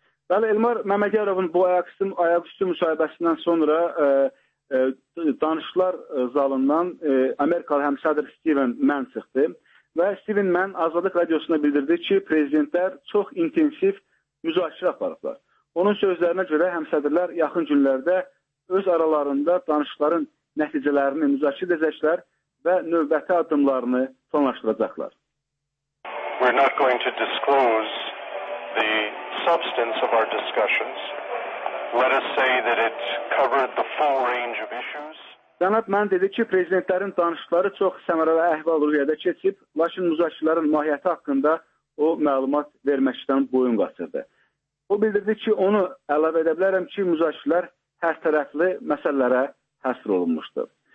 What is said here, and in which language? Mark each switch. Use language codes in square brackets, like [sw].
[az] Bəli, Elmar Məmmədyarovun bu ayaqüstü müsahibəsindən sonra danışıqlar zalından Amerikalı həmsədr Steven Mann çıxdı və Steven Mann Azadlıq Radiosuna bildirdi ki, prezidentlər çox intensiv müzakirə aparıblar. Onun sözlərinə görə həmsədrlər yaxın günlərdə öz aralarında danışıqların nəticələrini müzakirə edəcəklər və növbəti addımlarını planlaşdıracaqlar. [en] We're not going to disclose the substance of our discussions. Let us say that it covered the full range of issues. [az] Cənab Mann dedi ki, prezidentlərin danışıqları çox səmərəli əhval-ruhiyyədə keçib, lakin müzakirələrin mahiyyəti haqqında o məlumat verməkdən boyun qaçırdı. O bildirdi ki, onu əlavə edə bilərəm ki, müzakirələr hər tərəfli məsələlərə həsr olunmuşdu.